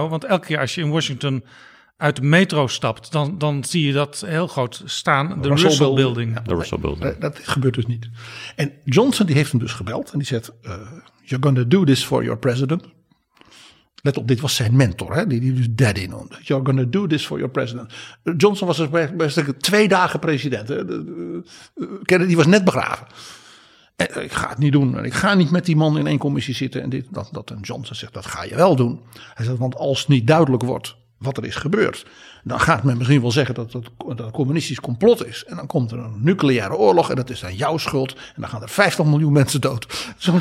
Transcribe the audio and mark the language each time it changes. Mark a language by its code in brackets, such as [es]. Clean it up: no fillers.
[nl] Nee. Want elke keer als je in Washington uit de metro stapt, dan zie je dat heel groot staan. De Russell Building. Ja, Russell Building. Dat gebeurt dus niet. En Johnson die heeft hem dus gebeld en die zegt, [en] you're gonna do this for your president. [nl] Let op, dit was zijn mentor, hè, die dus daddy noemde. [en] You're gonna do this for your president. [nl] Johnson was dus best 2 dagen president. Kennedy was net begraven. En, ik ga het niet doen. Ik ga niet met die man in één commissie zitten. En en Johnson zegt, dat ga je wel doen. Hij zegt, want als niet duidelijk wordt wat er is gebeurd, dan gaat men misschien wel zeggen dat het communistisch complot is. En dan komt er een nucleaire oorlog en dat is dan jouw schuld. En dan gaan er 50 miljoen mensen dood.